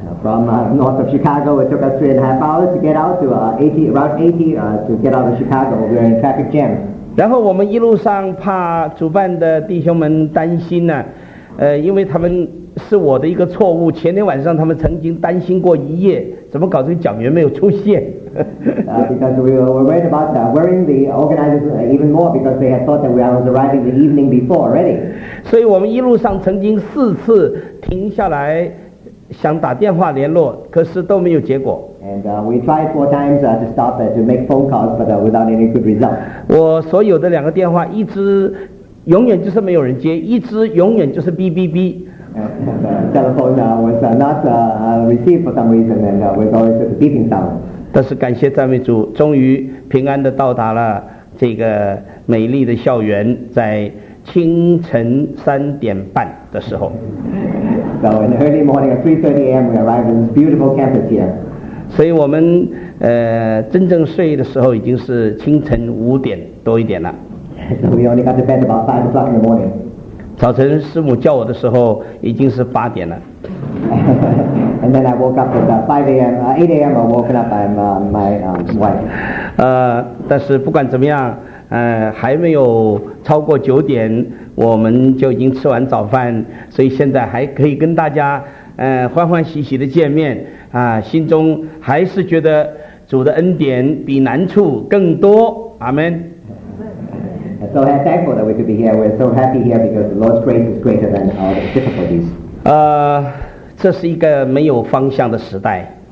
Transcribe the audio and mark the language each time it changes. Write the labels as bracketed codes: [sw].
[en] from north of Chicago, it took us 3.5 hours to get out to Route 80 to get out of Chicago. We were in traffic jam. [zh] 然后我们一路上怕主办的弟兄们担心呢，因为他们是我的一个错误。前天晚上他们曾经担心过一夜，怎么搞这个讲员没有出现？ [en] because we were worried about worrying the organizers even more because they had thought that we were arriving the evening before already. [zh] 所以我们一路上曾经4次停下来想打电话联络，可是都没有结果。 [en] And we tried 4 times to stop and to make phone calls, but without any good result. [zh] 我所有的两个电话，一只永远就是没有人接，一只永远就是哔哔哔。 [en] Telephone was not received for some reason, and was always just beeping sound. [zh] 但是感谢赞美主，终于平安地到达了这个美丽的校园，在清晨3:30的时候。 [en] So in the early morning at 3:30 a.m. we arrived in this beautiful campus here. [zh] 所以我们真正睡的时候已经是清晨5点多一点了。 [en] So we only got to bed about 5 o'clock in the morning. [zh] 早晨师母叫我的时候已经是8点了。 [en] And then I woke up at 5 a.m. 8 a.m. I woke up by my wife. [zh] 但是不管怎么样，还没有超过9点，我们就已经吃完早饭，所以现在还可以跟大家欢欢喜喜的见面啊，心中还是觉得主的恩典比难处更多。阿门。 [en] So I'm thankful that we could be here. We're so happy here because the Lord's grace is greater than all the difficulties. [zh] 这是一个没有方向的时代。